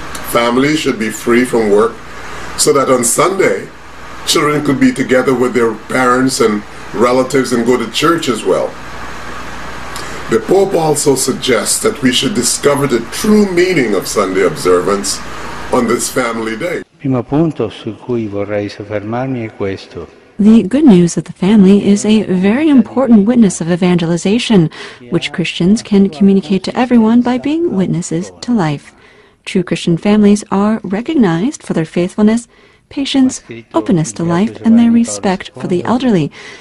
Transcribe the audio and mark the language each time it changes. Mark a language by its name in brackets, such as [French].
[English] Families should be free from work so that on Sunday, children could be together with their parents and relatives and go to church as well. The Pope also suggests that we should discover the true meaning of Sunday observance on this Family Day. [Italian] Primo punto su cui vorrei soffermarmi è questo. [English] The good news of the family is a very important witness of evangelization, which Christians can communicate to everyone by being witnesses to life. True Christian families are recognized for their faithfulness, patience, openness to life, and their respect for the elderly.